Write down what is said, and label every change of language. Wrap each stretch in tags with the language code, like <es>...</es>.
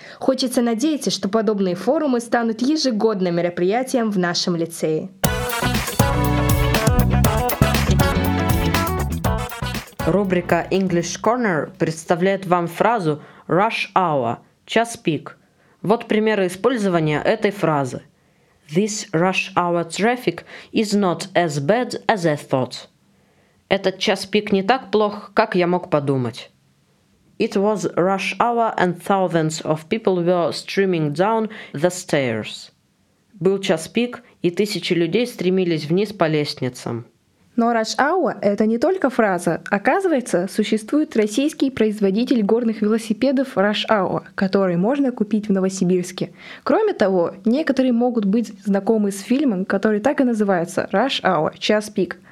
<ru>Хочется надеяться, что подобные форумы станут ежегодным мероприятием в нашем лицее. Рубрика English Corner представляет вам фразу rush hour, час пик. Вот примеры использования этой фразы.</ru> <en>This rush hour traffic is not as bad as I thought.</en> <ru>Этот час пик не так плох, как я мог подумать.</ru> <en>It was rush hour and thousands of people were streaming down the stairs.</en> <ru>Был час пик, и тысячи людей стремились вниз по лестницам. Но rush hour – это не только фраза. Оказывается, существует российский производитель горных велосипедов rush hour, который можно купить в Новосибирске. Кроме того, некоторые могут быть знакомы с фильмом, который так и называется rush hour – час пик.</ru>